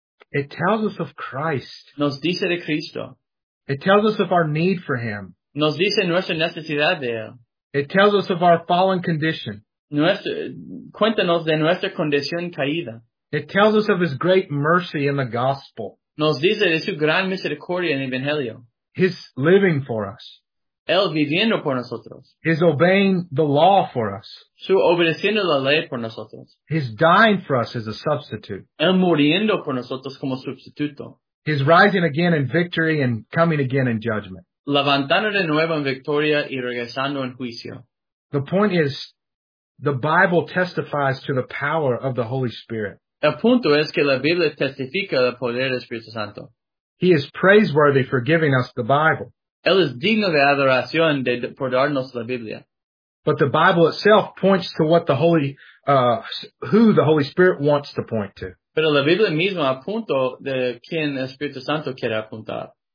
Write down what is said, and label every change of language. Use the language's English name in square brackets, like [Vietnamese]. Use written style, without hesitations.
[English] It tells us of Christ. [Spanish] Nos dice de Cristo. [English] It tells us of our need for him. [Spanish] Nos dice nuestra necesidad de él. [English] It tells us of our fallen condition. [Spanish] Cuéntanos de nuestra condición caída. [English] It tells us of his great mercy in the gospel. [Spanish] Nos dice de su gran misericordia en el evangelio. [English] His living for us. [Spanish] Él viviendo por nosotros. [English] His obeying the law for us. [Spanish] Su obedeciendo la ley por nosotros. [English] His dying for us as a substitute. [Spanish] Él muriendo por nosotros como sustituto. [English] His rising again in victory and coming again in judgment. [Spanish] Levantando de nuevo en victoria y regresando en juicio. [English] The point is, the Bible testifies to the power of the Holy Spirit. [Spanish] El punto es que la Biblia testifica el poder del Espíritu Santo. [English] He is praiseworthy for giving us the Bible. [Spanish] Él es digno de adoración por darnos la Biblia. [English] But the Bible itself points to what the Holy, who the Holy Spirit wants to point to. [Spanish] Pero la Biblia misma apunta de quien el Espíritu Santo quiere apuntar.